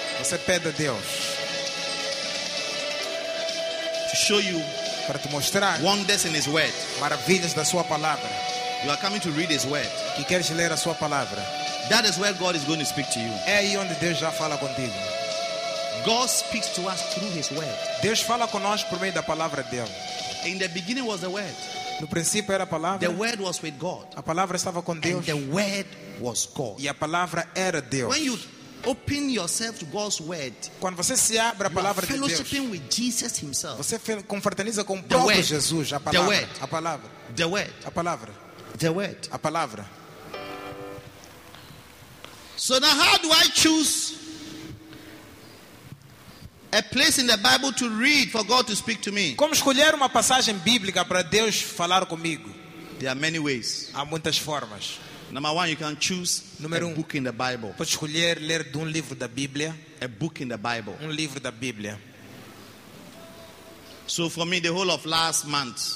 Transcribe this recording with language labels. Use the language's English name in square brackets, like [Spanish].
[Portuguese] Você pede a Deus. [English] To show you, [Portuguese] para te mostrar, [English] wonders in His word. [Portuguese] Maravilhas da sua palavra. [English] You are coming to read His word. [Portuguese] Que queres ler a sua palavra. [English] That is where God is going to speak to you. [Portuguese] É aí onde Deus já fala contigo. [English] God speaks to us through His word. [Portuguese] Deus fala conosco por meio da palavra dele. [English] In the beginning was the word. [Portuguese] No princípio era a palavra. [English] The word was with God. [Portuguese] A palavra estava com Deus. [English] And the word was God. [Portuguese] E a palavra era Deus. [English] When you open yourself to God's word, [Portuguese] quando você se abre a palavra de Deus, [English] you are fellowshiping with Jesus Himself. [Portuguese] Você confraterniza com o próprio [English] word. [Portuguese] Jesus, a palavra. [English] The word. [Portuguese] A palavra. [English] The word. [Portuguese] A palavra. [English] The word. [Portuguese] A palavra. [English] So now how do I choose a place in the Bible to read for God to speak to me? [Portuguese] Como escolher uma passagem bíblica para Deus falar comigo? [English] There are many ways. [Portuguese] Há muitas formas. [English] Number one, you can choose [Portuguese] Número um, [English] book in the Bible. [Portuguese] Pode escolher ler de um livro da Bíblia. [English] A book in the Bible. [Portuguese] Um livro da Bíblia. [English] So for me, the whole of last month.